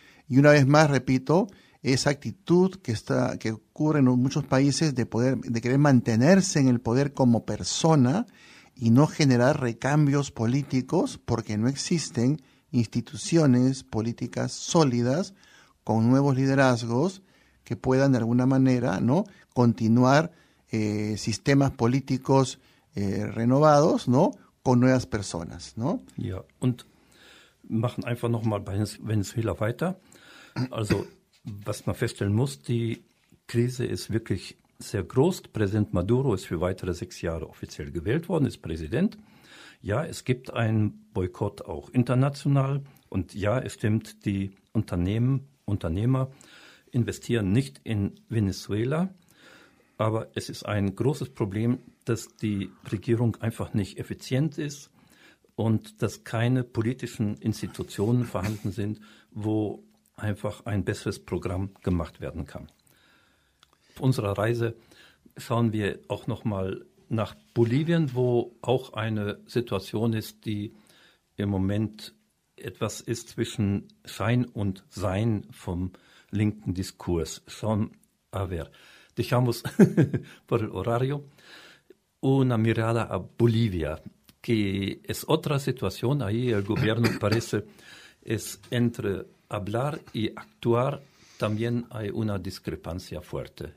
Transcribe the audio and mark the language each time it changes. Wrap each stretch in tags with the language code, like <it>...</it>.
<es>Y una vez más, repito, esa actitud que ocurre en muchos países de querer mantenerse en el poder como persona y no generar recambios políticos porque no existen instituciones políticas sólidas con nuevos liderazgos que puedan de alguna manera, ¿no?, continuar sistemas políticos renovados, ¿no?, con nuevas personas, ¿no?</es> <de>Ja, und machen einfach nochmal bei Venezuela weiter. Also, was man feststellen muss, die Krise ist wirklich sehr groß. Präsident Maduro ist für weitere 6 Jahre offiziell gewählt worden, ist Präsident. Ja, es gibt einen Boykott auch international. Und ja, es stimmt, die Unternehmer investieren nicht in Venezuela. Aber es ist ein großes Problem, dass die Regierung einfach nicht effizient ist und dass keine politischen Institutionen vorhanden sind, wo einfach ein besseres Programm gemacht werden kann. Auf unserer Reise schauen wir auch noch mal nach Bolivien, wo auch eine Situation ist, die im Moment etwas ist zwischen Schein und Sein vom linken Diskurs. Schon aber.</de> <es>Dejamos por el horario una mirada a Bolivia, que es otra situación. Ahí el gobierno parece es entre hablar y actuar. También hay una discrepancia fuerte.</es>